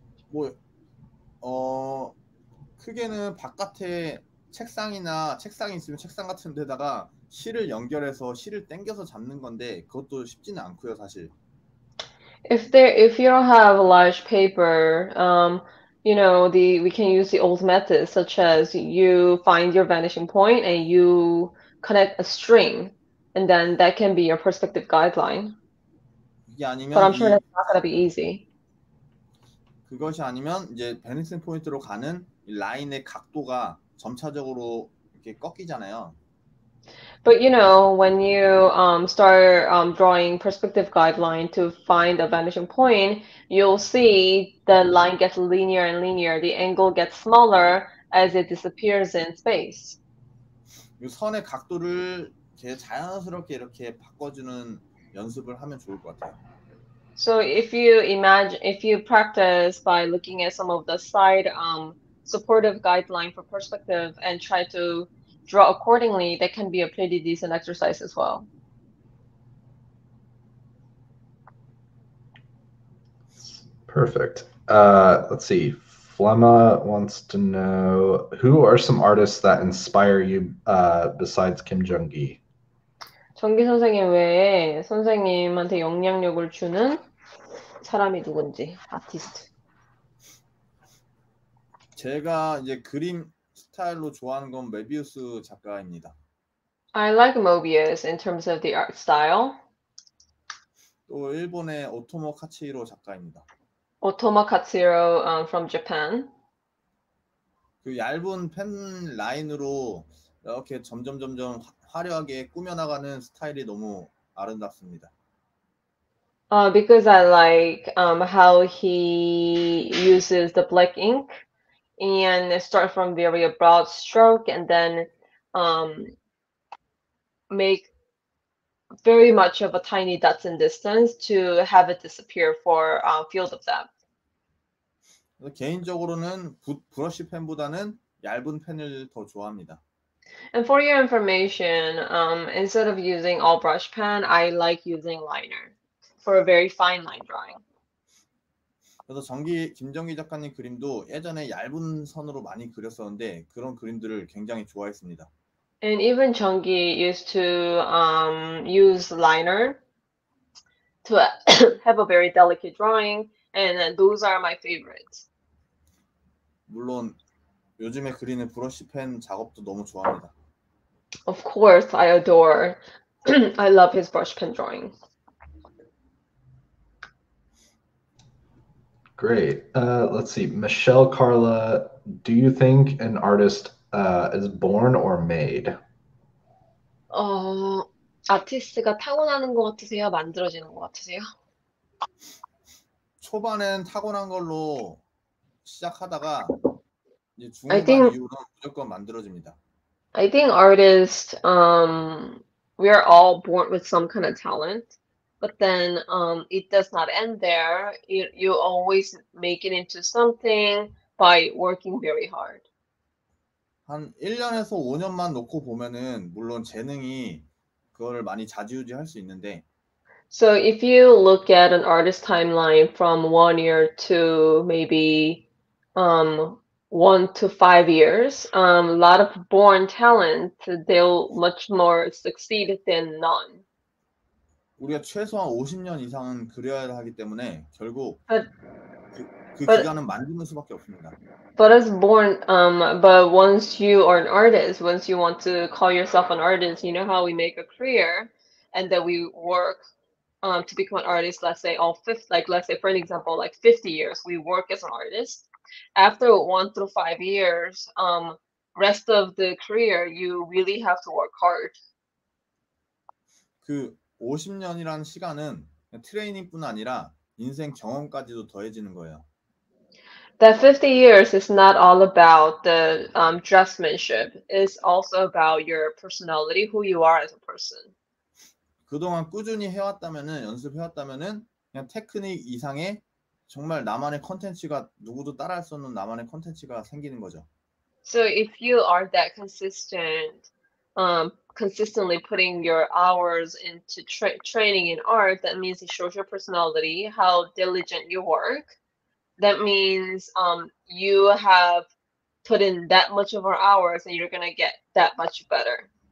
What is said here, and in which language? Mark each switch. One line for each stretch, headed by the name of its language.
Korean: 뭐, 크게는 바깥에 책상이나 책상이 있으면 책상 같은 데다가 실을 연결해서 실을 당겨서 잡는 건데 그것도 쉽지는 않고요, 사실.
English: If you don't have a large paper, we can use the old methods such as you find your vanishing point and you connect a string, and then that can be your perspective guideline.
Korean: 이게
English: But
Korean: 아니면
English: I'm sure
Korean: 이
English: that's not going to be easy.
Korean: 그것이 아니면 이제 베니싱 포인트로 가는 라인의 각도가 점차적으로 이렇게 꺾이잖아요.
English: But when you start drawing perspective guideline to find a vanishing point, you'll see the line gets linear and linear, the angle gets smaller as it disappears in space.
Korean: 이 선의 각도를 제 자연스럽게 이렇게 바꿔주는 연습을 하면 좋을 것 같아요.
English: So if you practice by looking at some of the side supportive guideline for perspective and try to draw accordingly, that can be a pretty decent exercise as well. Perfect. Let's see. Flemma wants to know, who are some artists that inspire you besides Kim Jung-gi?
Korean: 정기 선생님 외에 선생님한테 영향력을 주는 사람이 누군지, 아티스트. 제가 이제 그림 스타일로 좋아하는 건 메비우스 작가입니다.
English: I like Mobius in terms of the art style.
Korean: 또 일본의 오토모 카츠히로 작가입니다.
English: 오토마 카츠히로 from Japan.
Korean: 그 얇은 펜 라인으로 이렇게 점점 화려하게 꾸며나가는 스타일이 너무 아름답습니다.
English: Because I like how he uses the black ink and start from very broad stroke and then make very much of a tiny dots and distance to have it disappear for field of depth.
Korean: 개인적으로는 브러쉬 펜보다는 얇은 펜을 더 좋아합니다.
English: And for your information, instead of using all brush pen, I like using liner for a very fine line drawing.
Korean: 그래서 김정기 작가님 그림도 예전에 얇은 선으로 많이 그렸었는데 그런 그림들을 굉장히 좋아했습니다.
English: And even Chungi used to use liner to have a very delicate drawing, and those are my favorites.
Korean: 물론 요즘에 그리는 브러쉬 펜 작업도 너무 좋아합니다.
English: Of course, I adore. I love his brush pen drawing. Great. Let's see. Michelle Carla, do you think an artist is born or made?
Korean: 아티스트가 타고나는 것 같으세요? 만들어지는 것 같으세요? 초반엔 타고난 걸로 시작하다가 이제
English: I think.
Korean: 이후로 무조건 만들어집니다.
English: I think artists, we are all born with some kind of talent, but then it does not end there. You always make it into something by working very hard.
Korean: 한 1년에서 5년만 놓고 보면은 물론 재능이 그거를 많이 좌지우지할 수 있는데
English: So if you look at an artist timeline from 1 year to maybe 1 to 5 years, a lot of born talent, they'll much more succeed than none.
Korean: 우리가 최소한 50년 이상은 그려야 하기 때문에 결국 그 기간은 만드는 수밖에 없습니다.
English: But once you are an artist, once you want to call yourself an artist, you know how we make a career and that we work to become an artist, let's say all fifth, like let's say for an example, like 50 years, we work as an artist. After 1 to 5 years, rest of the career, you really have to work hard.
Korean: 그 50년이라는 시간은 트레이닝뿐 아니라 인생 경험까지도 더해지는 거예요.
English: That 50 years is not all about the dressmanship. It's also about your personality, who you are as a person.
Korean: 그동안 꾸준히 해왔다면은 연습해왔다면은 그냥 테크닉 이상의 정말 나만의 컨텐츠가 누구도 따라할 수 없는 나만의 컨텐츠가 생기는 거죠.
English: So if you are that consistently putting your hours into training in art, that means it shows your personality, how diligent you work. That means you have put in that much of our hours and you're gonna get that much better.